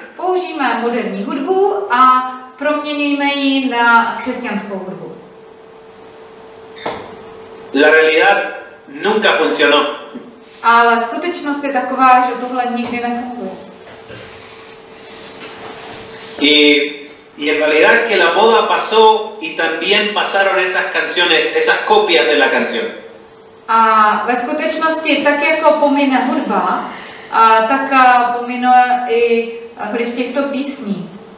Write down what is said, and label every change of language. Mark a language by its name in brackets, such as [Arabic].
[Czech] Použijeme moderní hudbu a proměníme ji na křesťanskou hudbu. [Spanish] La realidad nunca funcionó. [Czech] Ale skutečnost je taková, že tohle nikdy nefunguje. [Spanish] Y en realidad que la moda pasó y también pasaron esas canciones, esas copias de la canción. [Czech] A ve skutečnosti, tak jako pomine hudba, tak pomine i vliv těchto písní.